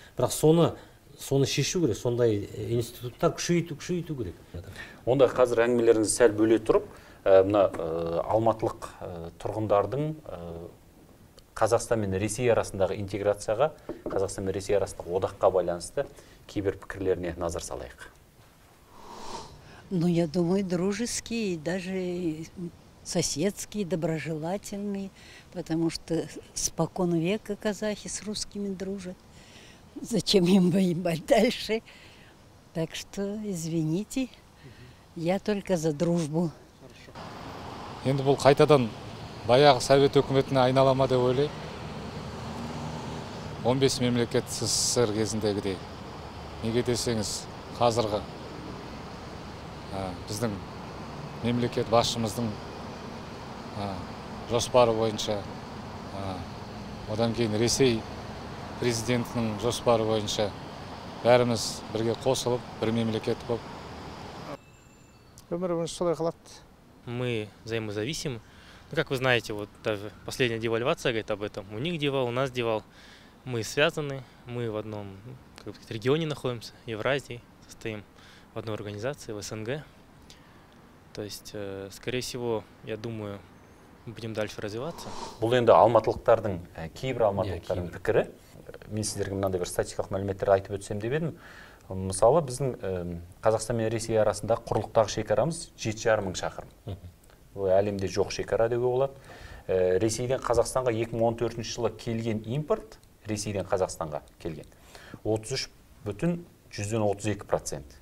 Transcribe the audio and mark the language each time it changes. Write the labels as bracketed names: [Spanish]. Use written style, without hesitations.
[Kazakh] Бірақ соны соны шешу керек, сондай институттар күшейту керек. Онда қазір әңгімелеріңізді сәл бөле тұрып, мына алматылық тұрғындардың Қазақстан мен Ресей арасындағы интеграцияға, Қазақстан мен Ресей арасындағы одаққа байланысты кейбір пікірлеріне назар салайық. [Russian] Ну, я думаю, дружеский, даже соседский, доброжелательный, потому что спокон века казахи с русскими дружат. Зачем им воевать дальше? Так что, извините, я только за дружбу. [Kazakh] Енді бұл қайтадан баяғы совет өкіметіне айналама деп ойлайм. 15 мемлекет СССР кезіндегідей. Неге десеңіз, қазіргі біздің мемлекет басшымыздың жоспары бойынша, одан кейін Ресей президентінің жоспары бойынша бәріміз бірге қосылып, бір мемлекет болып. Өміріміз солай қалады. [Russian] Мы взаимозависимы. Ну, как вы знаете, вот даже последняя девальвация говорит об этом. У них девал, у нас девал. Мы связаны, мы в одном как бы, регионе находимся, Евразии, состоим в одной организации, в СНГ. То есть, скорее всего, я думаю, мы будем дальше развиваться. [Kazakh] Бұл енді алматылықтардың, кейбір алматылықтардың пікірі. Мен сіздерге мынандай бір статистикалық мәліметтер айтып өтсем деп едім. Мысалы, біздің Қазақстан мен Ресей арасында құрлықтағы шекарамыз 7,5 мың шақырым. Бұл әлемде жоқ шекара деуге болады. Ресейден Қазақстанға 2014 жылы келген импорт, Ресейден Қазақстанға келген 33,32%.